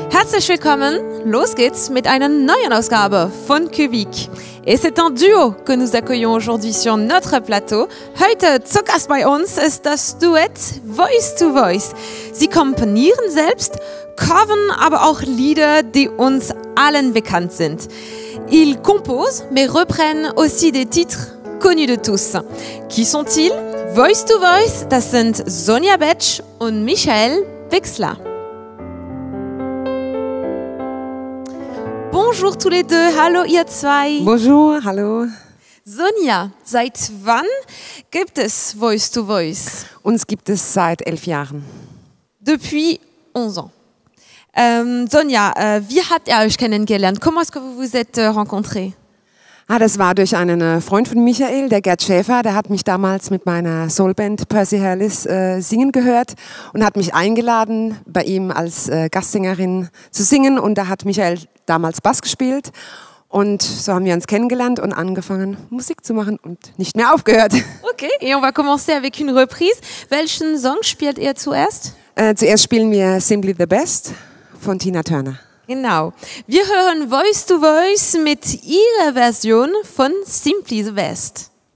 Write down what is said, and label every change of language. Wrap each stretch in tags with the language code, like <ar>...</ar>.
<de>Herzlich willkommen, los geht's mit einer neuen Ausgabe von Quebec.</de> <fr>Et c'est un duo que nous accueillons aujourd'hui sur notre plateau.</fr> <de>Heute zu Gast bei uns ist das Duett Voice to Voice. Sie komponieren selbst, covern aber auch Lieder, die uns allen bekannt sind.</de> <fr>Ils composent, mais reprennent aussi des titres connus de tous. Qui sont-ils?</fr> <de>Voice to Voice, das sind Sonja Betsch und Michael Wixler.</de> <fr>Bonjour tous les deux,</fr> <de>hallo ihr zwei.</de> <fr>Bonjour, hallo.</fr> <de>Sonja, seit wann gibt es Voice to Voice? Uns gibt es seit 11 Jahren.</de> <fr>Depuis 11 ans.</fr> <de>Sonja, wie habt ihr euch kennengelernt?</de> <fr>Comment est-ce que vous vous êtes rencontrés?</fr> <de>Ah, das war durch einen Freund von Michael, der Gerd Schäfer, der hat mich damals mit meiner Soulband Percy Herrliss singen gehört und hat mich eingeladen, bei ihm als Gastsängerin zu singen, und da hat Michael damals Bass gespielt und so haben wir uns kennengelernt und angefangen Musik zu machen und nicht mehr aufgehört.</de> <fr>Okay, et on va commencer avec une reprise.</fr> <de>Welchen Song spielt ihr zuerst? Zuerst spielen wir Simply the Best von Tina Turner. Genau. Wir hören Voice to Voice mit ihrer Version von Simply the Best.</de>